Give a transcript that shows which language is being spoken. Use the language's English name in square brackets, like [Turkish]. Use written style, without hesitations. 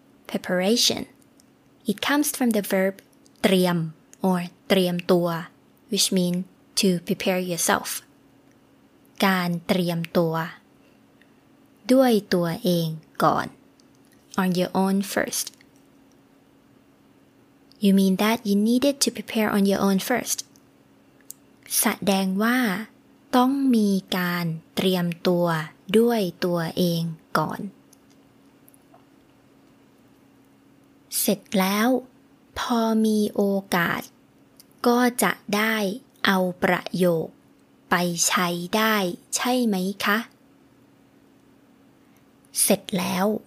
[English] preparation it comes from the verb เตรียม or เตรียมตัว which mean to prepare yourself [Thai] การเตรียมตัวด้วยตัวเองก่อน [English] On your own first. You mean that you needed to prepare on your own first? [Thai] แสดงว่าต้องมีการเตรียมตัวด้วยตัวเองก่อนเสร็จแล้วพอมีโอกาสก็จะได้เอาประโยคไปใช้ได้ใช่ไหมคะเสร็จแล้ว